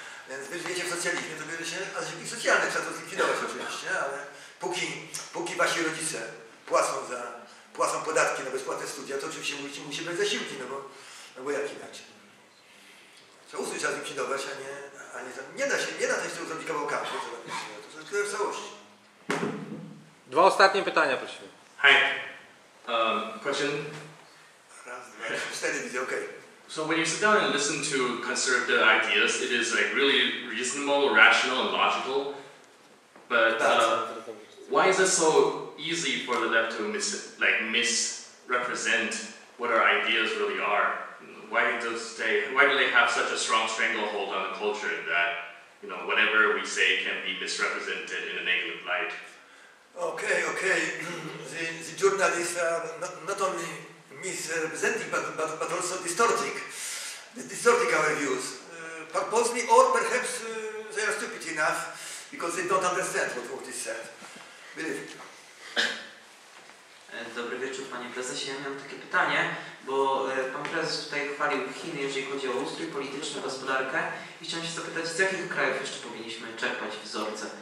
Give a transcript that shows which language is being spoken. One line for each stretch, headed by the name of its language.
Polish: Więc wy żyjecie w socjalizmie, to bierze się, a zasiłki socjalne trzeba to zlikwidować oczywiście, ale póki wasi rodzice płacą podatki na bezpłatne studia, to oczywiście musi być zasiłki, no bo jak inaczej? Trzeba zlikwidować, a nie nie da się tego zrobić kawałkami, to jest w całości. Dwa ostatnie pytania, proszę. Hej.
English: Question?
Polish: Raz, dwa, cztery, widzę, okej.
English: So when you sit down and listen to conservative ideas, it is like really reasonable, rational, and logical. But why is it so easy for the left to misrepresent what our ideas really are? Why do they have such a strong stranglehold on the culture that whatever we say can be misrepresented in a negative light? Okay. The journalists are not only misrepresenting, but also distorting our views, purposely, or perhaps they are stupid enough because they don't understand what is said. Believe me.
Polish: Dobry wieczór, panie prezesie. Ja miałem takie pytanie, bo pan prezes tutaj chwalił Chiny, jeżeli chodzi o ustrój polityczny, gospodarkę. I chciałem się zapytać, z jakich krajów jeszcze powinniśmy czerpać wzorce?